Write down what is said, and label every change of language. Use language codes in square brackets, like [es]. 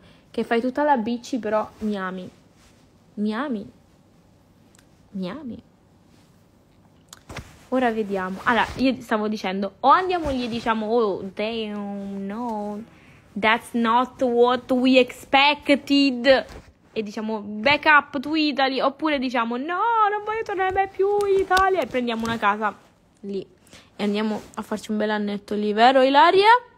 [it] Che fai tutta la bitch, però mi ami. Mi ami. Mi ami. Ora vediamo. Allora, io stavo dicendo. O andiamo lì e diciamo... [en] Oh, damn, no. That's not what we expected. [it] e diciamo [en] backup to Italy, [it] oppure diciamo no, non voglio tornare mai più in Italia e prendiamo una casa lì e andiamo a farci un bel annetto lì, vero Ilaria?